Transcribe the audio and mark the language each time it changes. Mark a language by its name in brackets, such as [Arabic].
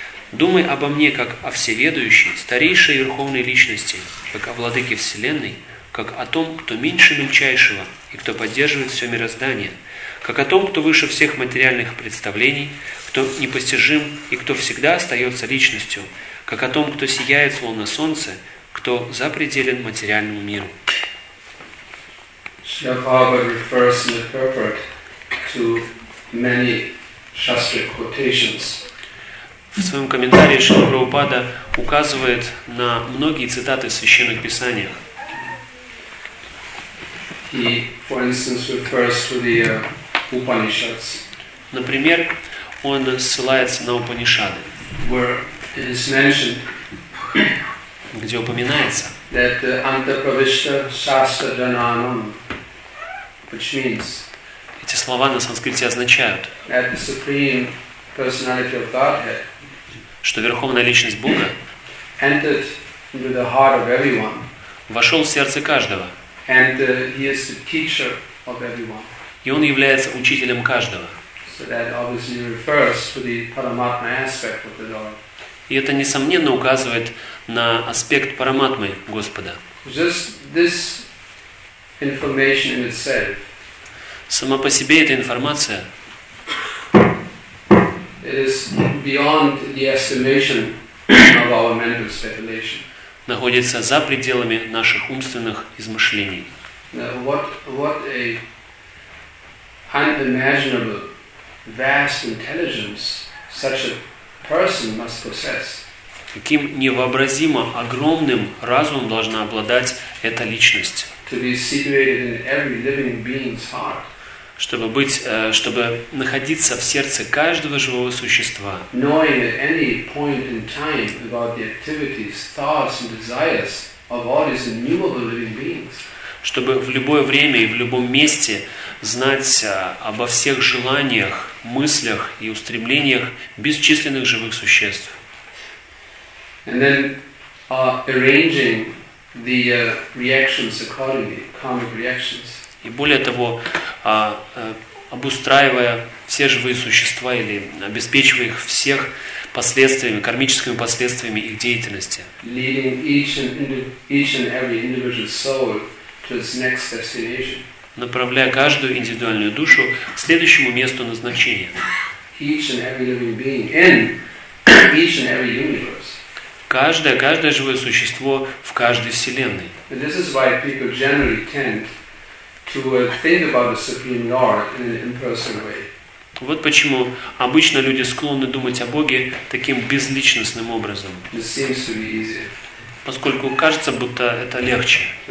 [Russian] Думай обо мне, как о всеведущей, старейшей верховной личности, как о владыке Вселенной, как о том, кто меньше мельчайшего и кто поддерживает все мироздание, как о том, кто выше всех материальных представлений, кто непостижим и кто всегда остается личностью, как о том, кто сияет словно солнце, кто запределен материальному миру. [English] Shabhava refers in the purport to many Shastra quotations. [Russian] В своем комментарии Шрила Прабхупада указывает на многие цитаты в священных писаниях. [English] He, for instance, refers to the Upanishads. [Russian] Например, он ссылается на Упанишады, [English] where it is mentioned, [Russian] где упоминается, [English] that [Sanskrit] antapravishta shastra jananam, [English] which means, [Russian] эти слова на санскрите означают, [English] that the supreme personality of Godhead, [Russian] что верховная личность Бога, [English] entered into the heart of everyone, [Russian] вошел в сердце каждого. [English] And he is the teacher of everyone. [Russian] И он является учителем каждого. [English] So that obviously refers to the Paramatma aspect of the Lord. [Russian] И это, несомненно, указывает на аспект Параматмы Господа. [English] Just this information in itself. [Russian] Сама по себе эта информация. [English] It is beyond the estimation of our mental speculation. [Russian] Находится за пределами наших умственных измышлений. [English] What a unimaginable vast intelligence such a person must possess. [Russian] Каким невообразимо огромным разумом должна обладать эта личность? [English] To be situated in every living being's heart. [Russian] Чтобы быть, чтобы находиться в сердце каждого живого существа. [English] Knowing at any point in time about the activities, thoughts and desires of all these innumerable living beings. [Russian] Чтобы в любое время и в любом месте знать обо всех желаниях, мыслях и устремлениях бесчисленных живых существ. [English] And then arranging the reactions accordingly, karmic reactions. [Russian] И более того, обустраивая все живые существа или обеспечивая их всех последствиями, кармическими последствиями их деятельности. [English] Leading each and every individual soul to its next destination. [Russian] Направляя каждую индивидуальную душу к следующему месту назначения. [English] Each and every living being in each and every universe. [Russian] Каждое живое существо в каждой вселенной. [English] And this is why people generally tend to think about the Supreme Lord in an impersonal way. [Russian] Вот почему обычно люди склонны думать о Боге таким безличностным образом. [English] This seems to be easy. [Russian] Поскольку кажется, будто это легче.